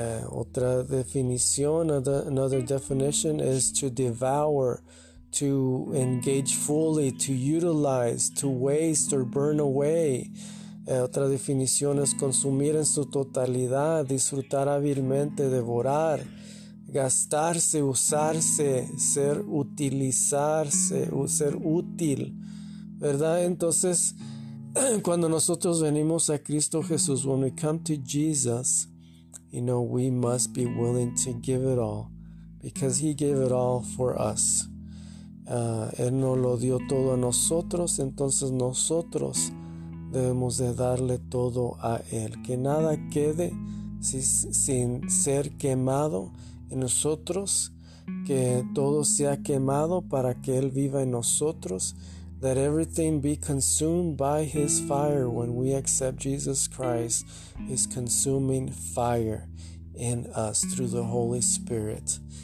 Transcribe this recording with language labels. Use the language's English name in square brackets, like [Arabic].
[Spanish] Otra definición, [English] another definition is to devour, to engage fully, to utilize, to waste or burn away. [Spanish] Otra definición es consumir en su totalidad, disfrutar hábilmente, devorar, gastarse, usarse, ser utilizarse, ser útil, ¿verdad? Entonces, cuando nosotros venimos a Cristo Jesús, [English] when we come to Jesus, you know, we must be willing to give it all, because He gave it all for us. [Spanish] Él nos lo dio todo a nosotros, entonces nosotros debemos de darle todo a Él. Que nada quede sin ser quemado en nosotros, que todo sea quemado para que Él viva en nosotros. [English] That everything be consumed by His fire. When we accept Jesus Christ, His consuming fire in us through the Holy Spirit.